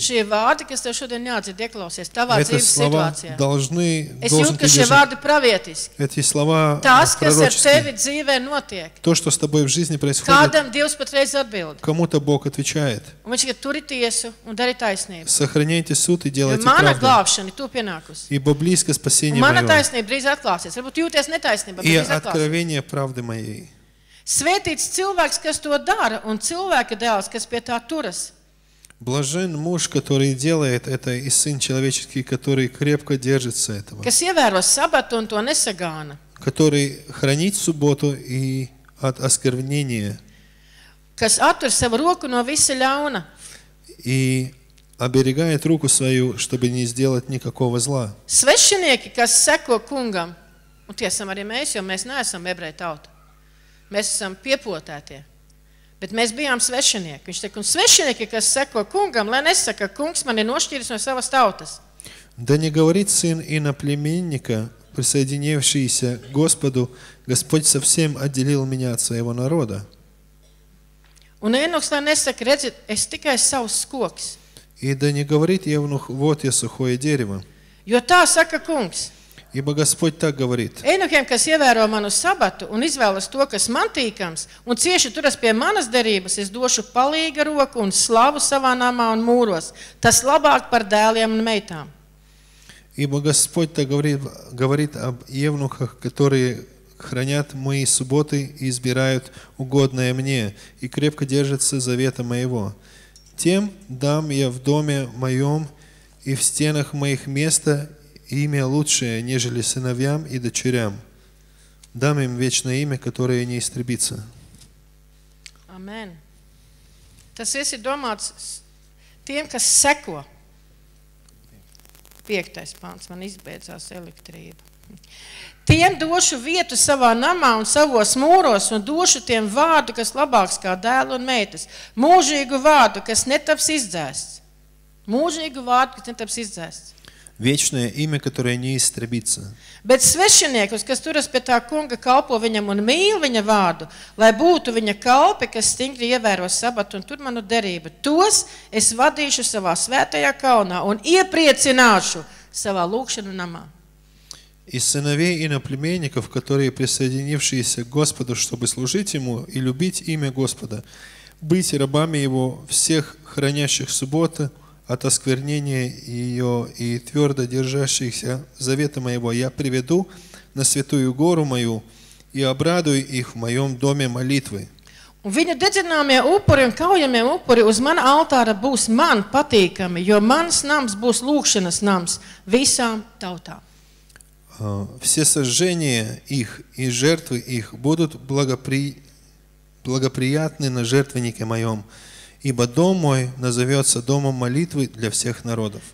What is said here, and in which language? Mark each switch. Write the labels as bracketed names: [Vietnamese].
[Latvian] Šie vārdi, kas tev šodien jāatdzird, ieklausies tavā dzīves situācijā. [Russian] Эти слова должны... [Latvian] Es jūtu, ka šie vārdi pravietiski. [Russian] Эти слова [Latvian] Tas, kas ar tevi dzīvē notiek. [Russian] То, что с тобой в жизни происходит. [Latvian] Kādam Dievs patreiz atbild. [Russian] Кому-то Бог отвечает. [Latvian] Un viņš tikai turi tiesu un dari taisnību. [Russian] Сохраняйте суд и делайте правду. [Latvian] Mana glābšana ir tuvu pienākusi. [Russian] Ибо близко спасение мое. [Latvian] Mana taisnība drīz atklāsies. Varbūt jūties netaisnība, bet drīz atklāsies. [Russian] И откровение правды моей. [Latvian] Svētīts cilvēks, kas to dara, un cilvēka dēls, kas pie tā turas. [Russian] Блажен муж, который делает это, и сын человеческий, который крепко держится этого. [Latvian] Kas ievēro sabatu un to nesagāna. [Russian] Который хранит субботу и от осквернения. [Latvian] Kas attur savu roku no visa ļauna. [Russian] И оберегает руку свою, чтобы не сделать никакого зла. [Latvian] Svešinieki, kas seko kungam, un tie esam arī mēs, jo mēs neesam ebreju tauta. Mēs esam piepotētie. Bet mēs bijām svešinieki. Viņš teica, un svešinieki, kas seko kungam, lai nesaka, ka kungs man ir nošķīris no savas tautas. [Russian] Да не говорит сын иноплеменника, присоединившийся к Господу, Господь совсем отделил меня от своего народа. [Latvian] Un Enoks, lai nesaka, redzi, es tikai savus koks. [Russian] И да не говорит Евнух, вот я сухое дерево. [Latvian] Jo tā saka kungs. [Russian] Ибо Господь так говорит. [Latvian] Enokiem, kas ievēro manu sabatu un izvēlas to, kas man tīkams, un cieši turas pie manas derības, es došu palīga roku un slavu savā namā un mūros. Tas labāk par dēliem un meitām. [Russian] Ибо Господь так говорит об евнухах, которые хранят мои субботы и избирают угодное мне и крепко держатся завета моего. Тем дам я в доме моем и в стенах моих место имя лучшее, нежели сыновьям и дочерям. Дам им вечное имя, которое не истребится. Амен. [Latvian] Tas viss ir domāts tiem, kas seko. Piektais pants, man izbeidzās elektrība. Tiem došu vietu savā namā un savos mūros un došu tiem vārdu, kas labāks kā dēlu un meitas. Mūžīgu vārdu, kas netaps izdzēsts. Mūžīgu vārdu, kas netaps izdzēsts. [Russian] Viečnē ime, katorē neistrebīca. [Latvian] Bet svešiniekus, kas turas pie tā kunga, kalpo viņam un mīl viņa vārdu, lai būtu viņa kalpi, kas stingri ievēro sabatu un tur manu derību. Tos es vadīšu savā svētajā kalnā un iepriecināšu savā lūkšanu namā. [Russian] И сыновей иноплеменников, которые присоединившиеся к Господу, чтобы служить Ему и любить имя Господа, быть рабами Его всех хранящих субботы от осквернения ее и твердо держащихся завета Моего, я приведу на святую гору Мою и обрадую их в Моем доме молитвы. [Latvian] Un viņa dedzināmie upuri un kaujamie upuri uz mana altāra būs man patīkami, jo mans nams būs lūkšanas nams visām tautām. [Russian] Все сожжения их и жертвы их будут благоприятны на жертвеннике моем, ибо дом мой назовется домом молитвы для всех народов.